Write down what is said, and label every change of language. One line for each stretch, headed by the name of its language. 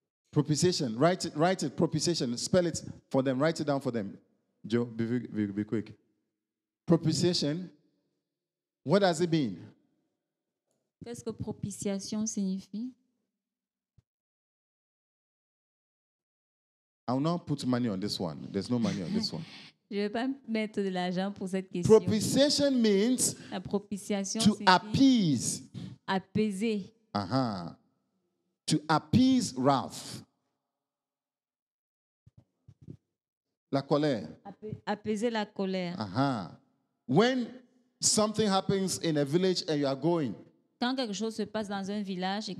English: Propitiation. Write it, propitiation. Spell it for them. Write it down for them. Joe, be quick. Propitiation. What does it mean?
French: Qu'est-ce que propitiation signifie?
English: I will not put money on this one. There's no money on this one.
French: Je vais pas mettre de l'argent pour cette question.
English: Propitiation means
French: la propitiation
English: to appease.
French: Apaiser.
English: To appease wrath.
French: La colère. Apaiser la colère.
English: When something happens in a village and you are going.
French: Quand quelque chose se passe dans un village et que